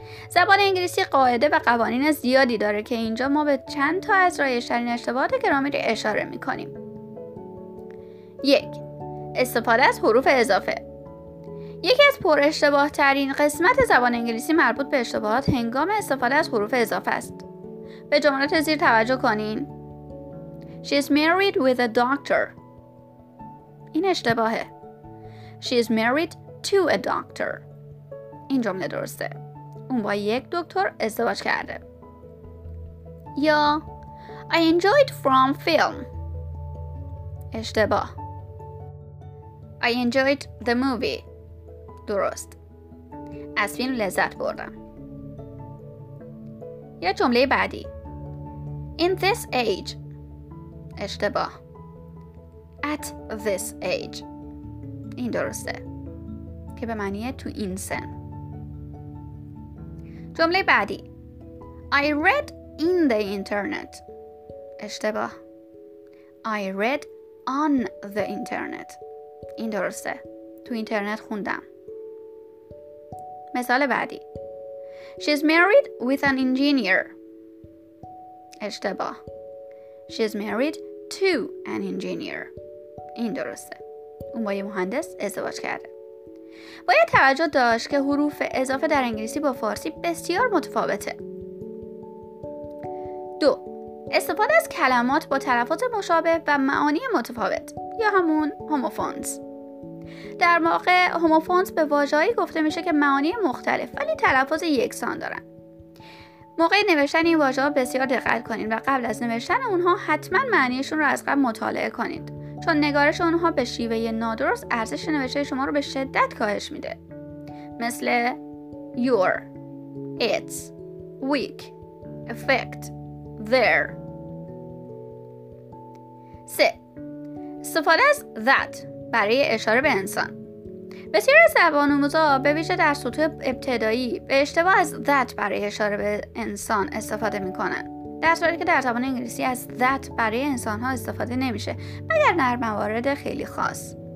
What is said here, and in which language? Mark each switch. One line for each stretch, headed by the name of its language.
Persian: زبان انگلیسی قاعده و قوانین زیادی داره که اینجا ما به چند تا از رایج‌ترین اشتباهات گرامری اشاره میکنیم. 1. استفاده از حروف اضافه. یکی از پر اشتباه ترین قسمت زبان انگلیسی مربوط به اشتباهات هنگام استفاده از حروف اضافه است. به جملات زیر توجه کنین.
English: She's married with a doctor.
Persian: این اشتباهه.
English: She's married to a doctor.
Persian: این جمله درسته. اون با یک دکتر ازدواج کرده.
English: یا I enjoyed from film. اشتباه. I enjoyed the movie. درست.
Persian: از فیلم لذت بردم. یا جمله بعدی.
English: In this age.
Persian: اشتباه.
English: At this age.
Persian: این درسته. که به معنی تو این سن. جمله بعدی.
English: I read in the internet.
Persian: اشتباه.
English: I read on the internet.
Persian: این درسته. تو اینترنت خوندم. مثال بعدی.
English: She's married with an engineer.
Persian: اشتباه.
English: She's married to an engineer.
Persian: این درسته. اون با یه مهندس ازدواج کرده. باید توجه داشت که حروف اضافه در انگلیسی با فارسی بسیار متفاوته. 2. استفاده از کلمات با تلفظ مشابه و معانی متفاوت یا همون هوموفونز. در واقع هوموفونز به واژه‌ای گفته میشه که معانی مختلف ولی تلفظ یکسان دارن. موقع نوشتن این واژه‌ها بسیار دقت کنین و قبل از نوشتن اونها حتما معنیشون رو از قبل مطالعه کنین، چون نگارش اونها به شیوه نادرست ارزش نوشته شما رو به شدت کاهش میده.
English: مثل your, its, weak, effect, their.
Persian: 3. استفاده از that برای اشاره به انسان. بسیار زبان آموزا به ویژه در سطوح ابتدایی به اشتباه از that برای اشاره به انسان استفاده میکنن، در صورتی که در زبان انگلیسی از that برای انسان ها استفاده نمیشه مگر در موارد خیلی خاص.